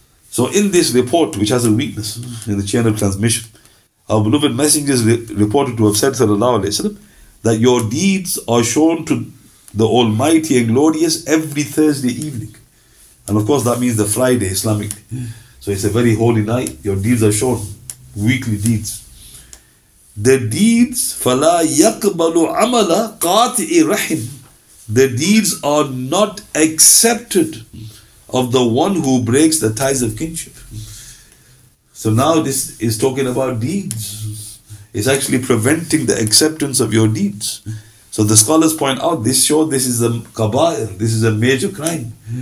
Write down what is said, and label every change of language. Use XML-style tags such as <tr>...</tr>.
<en>So in this report, which has a weakness in the chain of transmission, our beloved messengers reported to have said, sallallahu alayhi wa sallam, that your deeds are shown to the Almighty and Glorious every Thursday evening. And of course that means the Friday, Islamic. So it's a very holy night, your deeds are shown, weekly deeds. The deeds,</en> <ar>فَلَا يَقْبَلُ عَمَلَ قَاطِعِ رَحِمٍ.</ar> <en>The deeds are not accepted of the one who breaks the ties of kinship. So now this is talking about deeds. It's actually preventing the acceptance of your deeds. So the scholars point out, this is a kabair, this is a major crime.</en>